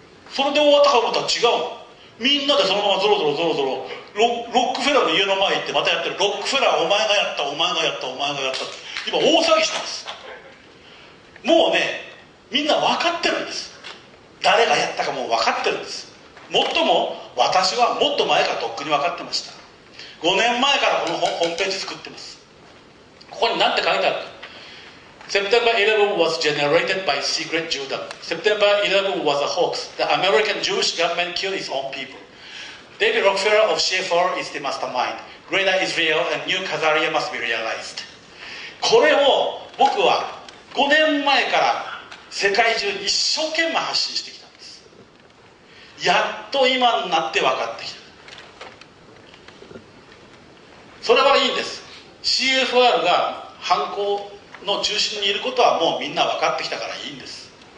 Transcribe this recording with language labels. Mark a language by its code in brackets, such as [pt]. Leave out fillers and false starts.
[ja] それで終わったかと思ったら違う、みんなでそのままゾロゾロゾロゾロロックフェラーの家の前行ってまたやってる。ロックフェラー、お前がやった、お前がやった、お前がやったって今大騒ぎしてます。もうね、みんな分かってるんです。誰がやったかもう分かってるんです。もっとも私はもっと前からとっくに分かってました。 5年前からこのホームページ作ってます。ここに何て書いてあるか。 [en] September 11 was generated by secret Judah. September 11 was a hoax. The American Jewish government killed its own people. David Rockefeller of CFR is the mastermind. Greater Israel and new Khazaria must be realized. [ja] これを僕は5年前から世界中に一生懸命発信してきた。やっと今になって分かってきた。それはいいんです。CFR が犯行の中心にいることはもうみんな分かってきたからいいんです。